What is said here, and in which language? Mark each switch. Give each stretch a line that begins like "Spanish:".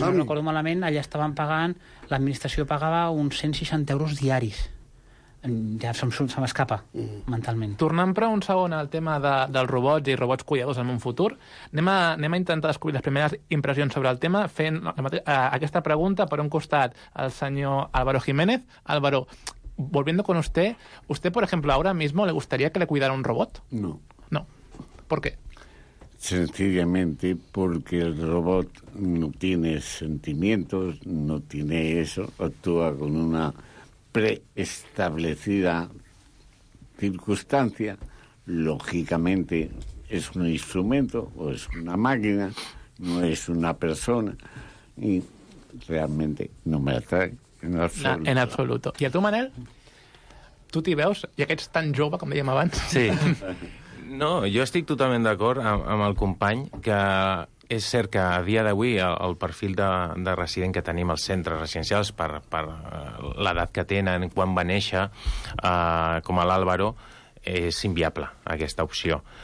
Catalan: Però si no recordo malament, allà estaven pagant, l'administració pagava uns 160 euros diaris. Ja se m'escapa mentalment. Tornant però un segon al tema dels robots i robots cuidadors en un futur, anem a intentar descobrir les primeres impressions sobre el tema fent aquesta pregunta per un costat al senyor Álvaro Jiménez.
Spanish: Álvaro, volviendo con usted, ¿usted, por ejemplo, ahora mismo le gustaría que le cuidara un robot? No. No. ¿Por qué? Sencillamente porque el robot no tiene sentimientos, no tiene eso, actúa con una preestablecida circunstancia, lógicamente es un instrumento o es una máquina, no es una persona, y realmente no me atrae en absoluto. ¿Y a tú,
Catalan: Manel? tu t'hi veus, i aquests tan jove, com dèiem abans. Sí. No, jo estic totalment d'acord amb el company que és cert que a dia d'avui el perfil de resident que tenim als centres residencials per l'edat que tenen, quan va néixer, com a l'Àlvaro, és inviable, aquesta opció.